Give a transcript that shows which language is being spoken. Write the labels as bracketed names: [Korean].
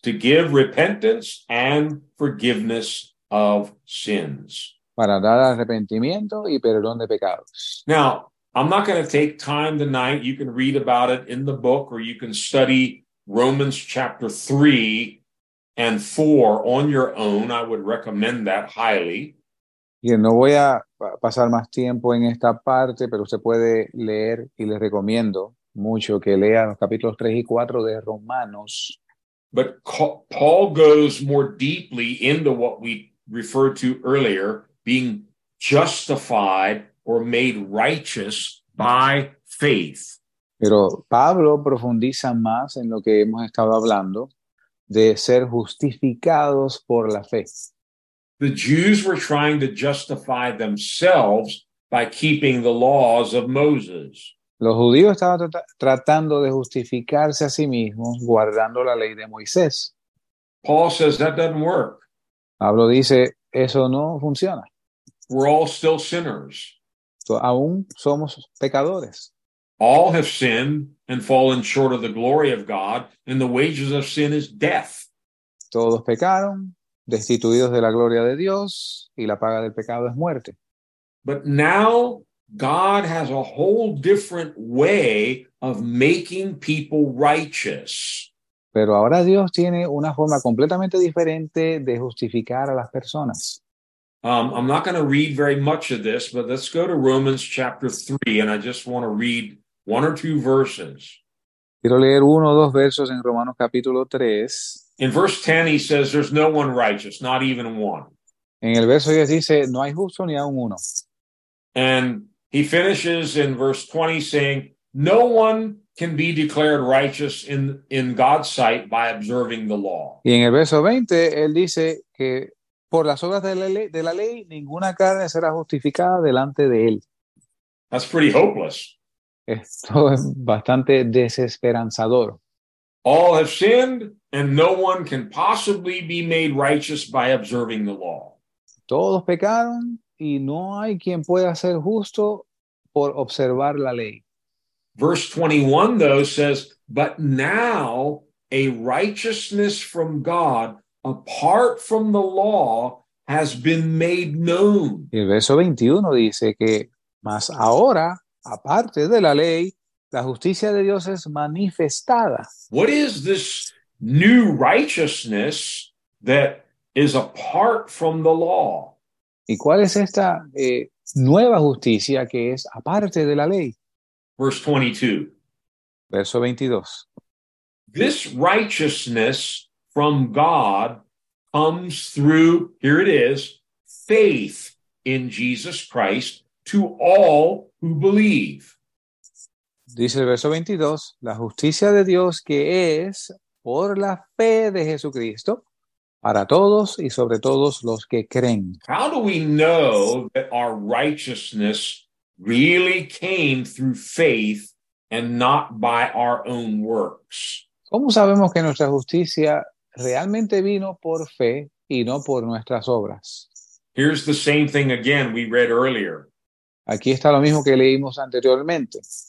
[English] To give repentance and forgiveness of sins. [Spanish] Para dar arrepentimiento y perdón de pecados. [English] Now, I'm not going to take time tonight. You can read about it in the book or you can study Romans chapter 3 and 4 on your own. I would recommend that highly. [Spanish] Y no voy a pasar más tiempo en esta parte, pero usted puede leer y le recomiendo mucho que lea los capítulos 3 y 4 de Romanos. [English] But Paul goes more deeply into what we referred to earlier, being justified or made righteous by faith. [Spanish] Pero Pablo profundiza más en lo que hemos estado hablando de ser justificados por la fe. [English] The Jews were trying to justify themselves by keeping the laws of Moses. [Spanish] Los judíos estaban tratando de justificarse a sí mismos guardando la ley de Moisés. [English] Paul says that doesn't work. [Spanish] Pablo dice, eso no funciona. [English] We're all still sinners. [Spanish] Aún somos pecadores. [English] All have sinned and fallen short of the glory of God, and the wages of sin is death. [Spanish] Todos pecaron, destituidos de la gloria de Dios, y la paga del pecado es muerte. [English] But now God has a whole different way of making people righteous. [Spanish] Pero ahora Dios tiene una forma completamente diferente de justificar a las personas. [English] I'm not going to read very much of this, but let's go to Romans chapter 3, and I just want to read one or two verses. [Spanish] Quiero leer uno o dos versos en Romanos capítulo 3. [English] In verse 10, he says, there's no one righteous, not even one. [Spanish] En el verso 10 dice, no hay justo ni aun uno. [English] And he finishes in verse 20 saying, no one can be declared righteous in God's sight by observing the law. [Spanish] Y en el verso 20, él dice que por las obras de la ley, ninguna carne será justificada delante de él. [English] That's pretty hopeless. [Spanish] Esto es bastante desesperanzador. [English] All have sinned, and no one can possibly be made righteous by observing the law. [Spanish] Todos pecaron, y no hay quien pueda ser justo por observar la ley. [English] Verse 21, though, says, but now a righteousness from God apart from the law has been made known. [Spanish] Y el verso 21 dice que, mas ahora, aparte de la ley, la justicia de Dios es manifestada. [English] What is this new righteousness that is apart from the law? [Spanish] ¿Y cuál es esta nueva justicia que es aparte de la ley? [English] Verse 22. [Spanish] Verso 22. [English] This righteousness from God comes through, here it is, faith in Jesus Christ to all who believe. [Spanish] Dice el verso 22, la justicia de Dios que es por la fe de Jesucristo para todos y sobre todos los que creen. [English] How do we know that our righteousness really came through faith and not by our own works? [Spanish] ¿Cómo sabemos que nuestra justicia realmente vino por fe y no por nuestras obras? [English] Here's the same thing again we read earlier. [Spanish] Aquí está lo mismo que leímos anteriormente.